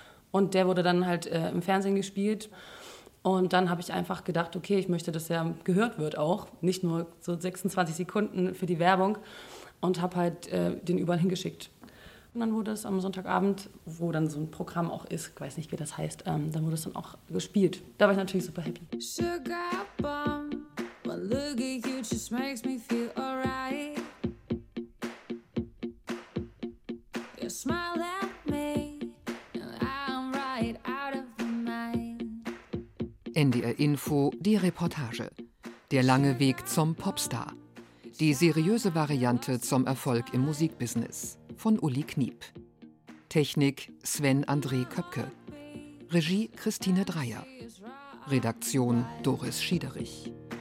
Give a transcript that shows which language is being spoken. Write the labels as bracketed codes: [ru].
[de] Und der wurde dann halt im Fernsehen gespielt. Und dann habe ich einfach gedacht, okay, ich möchte, dass er gehört wird auch. Nicht nur so 26 Sekunden für die Werbung. Und habe halt den überall hingeschickt. Und dann wurde es am Sonntagabend, wo dann so ein Programm auch ist, ich weiß nicht, wie das heißt, dann wurde es dann auch gespielt. Da war ich natürlich super happy. [en] Sugar bomb, but look at you, just makes me feel alright. You smile at me, and I'm right out of my mind. [de] NDR Info, die Reportage. Der lange Weg zum Popstar. Die seriöse Variante zum Erfolg im Musikbusiness. Von Uli Kniep. Technik Sven-André Köpke. Regie Christine Dreyer. Redaktion Doris Schiederich.